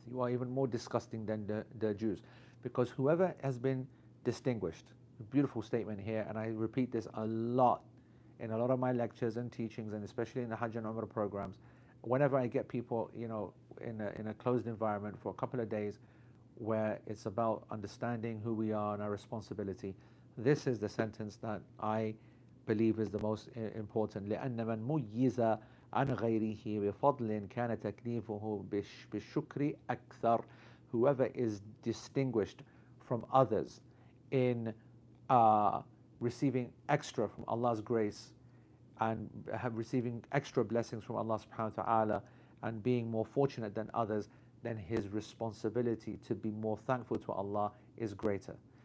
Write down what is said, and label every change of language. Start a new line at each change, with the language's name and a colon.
English: You are even more disgusting than the Jews, because whoever has been distinguished, beautiful statement here, and I repeat this a lot in a lot of my lectures and teachings, and especially in the Hajj and Umrah programs, whenever I get people, you know, in a closed environment for a couple of days, where it's about understanding who we are and our responsibility, this is the sentence that I believe is the most important.
Arabic: لأن من ميزة عن غيره بفضل كان تكليفه بالشكر أكثر.
English: Whoever is distinguished from others in receiving extra from Allah's grace and have receiving extra blessings from Allah subhanahu wa ta'ala and being more fortunate than others, then his responsibility to be more thankful to Allah is greater.